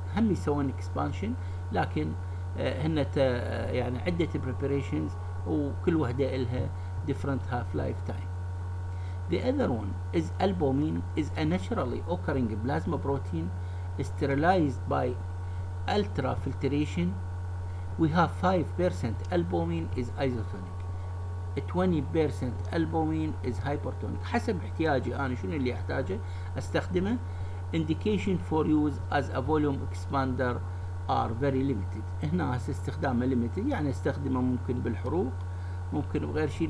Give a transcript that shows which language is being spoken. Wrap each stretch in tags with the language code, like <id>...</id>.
<ar>هم يسوون expansion، لكن هنا يعني عدة preparations وكل واحدة لها</ar> <en>different half-life time. The other one is albumin is a naturally occurring plasma protein sterilized by ultrafiltration. We have 5% albumin is isotonic. 20% albumin is hypertonic.</en> <ar>حسب احتياجي أنا شنو اللي أحتاجه أستخدمه.</ar> <en>Indication for use as a volume expander are very limited.</en> <ar>هنا استخدامه limited، يعني استخدمه ممكن بالحروق، ممكن بغير شيء.</ar>